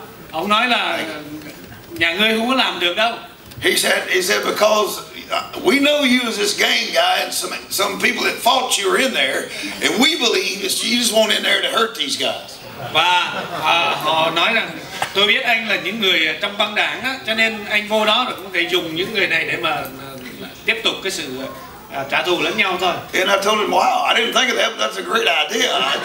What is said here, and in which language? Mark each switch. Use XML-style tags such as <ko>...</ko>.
<vi>Ông nói là nhà ngươi không có làm được đâu.</vi> <en>He said, because we know you as this gang guy, and some people that fought you were in there, and we believe that you just went in there to hurt these guys.</en> <vi>Và họ nói rằng tôi biết anh là những người trong băng đảng á, cho nên anh vô đó là cũng thể dùng những người này để mà tiếp tục cái sự trả thù lẫn nhau thôi.</vi> <en>And I told him, wow, I didn't think of that, but that's a great idea.</en>